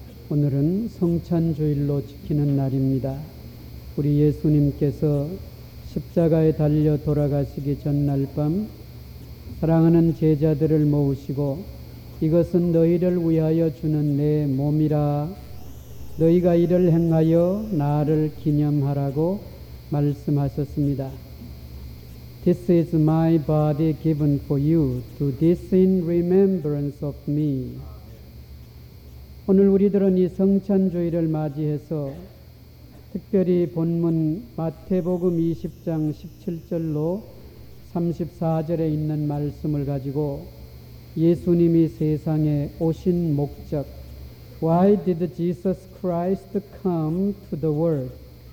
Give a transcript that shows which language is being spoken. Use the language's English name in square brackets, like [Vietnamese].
[Korean] 오늘은 성찬주일로 지키는 날입니다. 우리 예수님께서 십자가에 달려 돌아가시기 전날 밤 사랑하는 제자들을 모으시고, 이것은 너희를 위하여 주는 내 몸이라, 너희가 이를 행하여 나를 기념하라고 말씀하셨습니다. [English] This is my body given for you. Do this in remembrance of me. [Korean] 오늘 우리들은 이 성찬주일을 맞이해서 특별히 본문 마태복음 20장 17절로 34절에 있는 말씀을 가지고 예수님이 세상에 오신 목적, [English] Why did Jesus Christ come to the world?